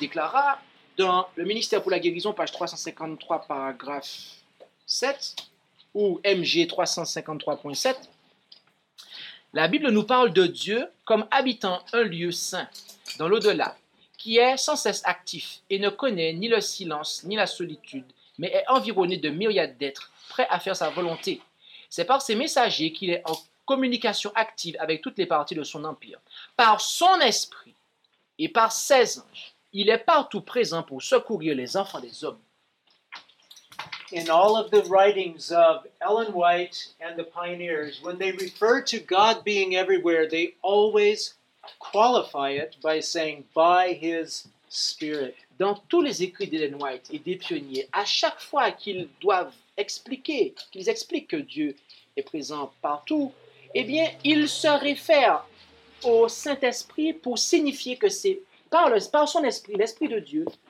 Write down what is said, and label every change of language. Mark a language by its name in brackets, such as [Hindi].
[French] déclara dans Le ministère pour la guérison, page 353, paragraphe 7, ou MG 353.7, la Bible nous parle de Dieu comme habitant un lieu saint dans l'au-delà, qui est sans cesse actif et ne connaît ni le silence ni la solitude, mais est environné de myriades d'êtres prêts à faire sa volonté. C'est par ses messagers qu'il est en communication active avec toutes les parties de son empire. Par son esprit et par ses anges, il est partout présent pour secourir les enfants des hommes. [English] In all of the writings of Ellen White and the pioneers, when they refer to God being everywhere, they always qualify it by saying, by his spirit. [French] Dans tous les écrits d'Ellen White et des pionniers, à chaque fois qu'ils doivent expliquer, qu'ils expliquent que Dieu est présent partout, eh bien, ils se réfèrent au Saint-Esprit pour signifier que c'est par son esprit, l'Esprit de Dieu,